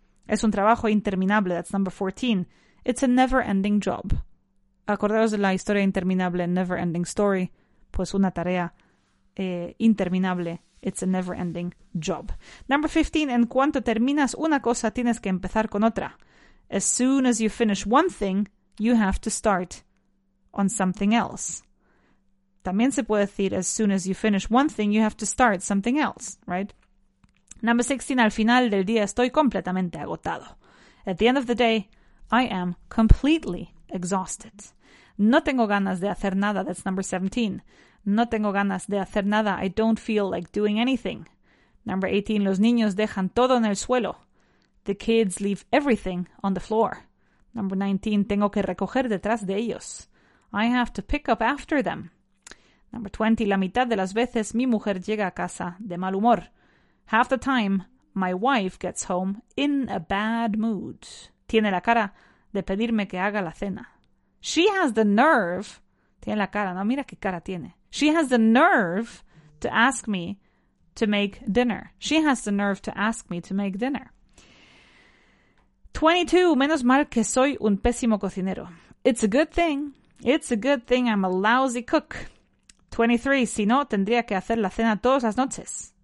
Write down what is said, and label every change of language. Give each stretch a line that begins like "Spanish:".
Spanish: Es un trabajo interminable.
English: That's number 14. It's a never-ending job.
Spanish: Acordaros de la historia interminable, never-ending story. Pues una tarea interminable.
English: It's a never-ending job. Number 15.
Spanish: En cuanto terminas una cosa, tienes que empezar con otra.
English: As soon as you finish one thing, you have to start on something else.
Spanish: También se puede decir,
English: as soon as you finish one thing, you have to start something else, right? Number 16.
Spanish: Al final del día, estoy completamente agotado.
English: At the end of the day, I am completely exhausted.
Spanish: No tengo ganas de hacer nada.
English: That's number 17.
Spanish: No tengo ganas de hacer nada.
English: I don't feel like doing anything. Number 18.
Spanish: Los niños dejan todo en el suelo.
English: The kids leave everything on the floor. Number 19,
Spanish: tengo que recoger detrás de ellos.
English: I have to pick up after them.
Spanish: Number 20, la mitad de las veces mi mujer llega a casa de mal humor.
English: Half the time, my wife gets home in a bad mood.
Spanish: Tiene la cara de pedirme que haga la cena.
English: She has the nerve.
Spanish: Tiene la cara, no, mira qué cara tiene.
English: She has the nerve to ask me to make dinner. She has the nerve to ask me to make dinner. 22,
Spanish: menos mal que soy un pésimo cocinero.
English: It's a good thing. It's a good thing I'm a lousy cook.
Spanish: 23, si no, tendría que hacer la cena todas las noches.